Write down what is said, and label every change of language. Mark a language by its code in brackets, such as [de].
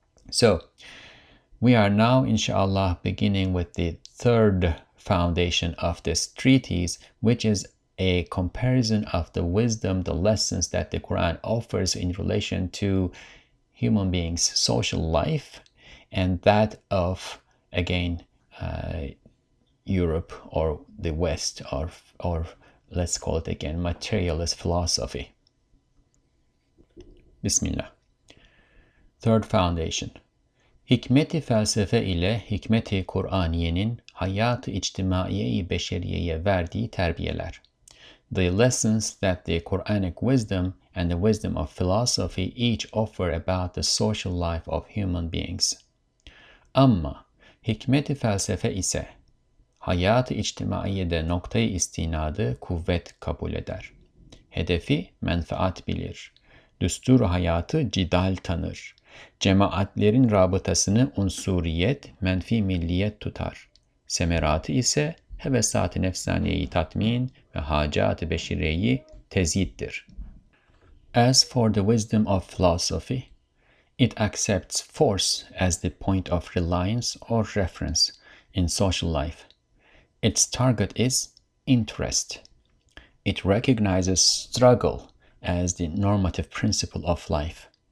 [en] So we are now, inshallah, beginning with the third foundation of this treatise, which is a comparison of the wisdom, the lessons that the Quran offers in relation to human beings' social life, and that of, again, Europe or the West, or let's call it again, materialist philosophy. Bismillah. Third foundation. [tr] Hikmeti felsefe ile hikmeti Kur'aniyenin hayat-ı içtimaiye-i beşeriyeye verdiği terbiyeler. [en] The lessons that the Quranic wisdom and the wisdom of philosophy each offer about the social life of human beings. [tr] Amma hikmeti felsefe ise hayat-ı içtimaiyede noktayı istinadı kuvvet kabul eder. Hedefi menfaat bilir. Düstur hayatı cidal tanır. Cemaatlerin rabıtasını unsuriyet, menfi milliyet tutar. Semeratı ise hevesat-ı nefsaniyeyi tatmin ve hacat-ı beşireyi teziddir. [en] As for the wisdom of philosophy, it accepts force as the point of reliance or reference in social life. Its target is interest. It recognizes struggle as the normative principle of life.